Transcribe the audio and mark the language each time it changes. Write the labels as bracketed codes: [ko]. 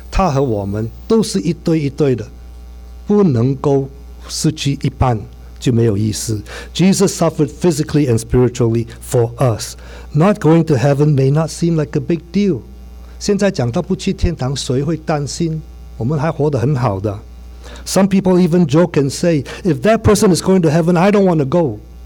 [zh] 他和我们都是一对一对的，不能够失去一半就没有意思。Jesus [en] suffered physically and spiritually for us. Not going to heaven may not seem like a big deal. [zh] 现在讲到不去天堂，谁会担心？我们还活得很好的。Some [en] people even joke and say, if that person is going to heaven, I don't want to go.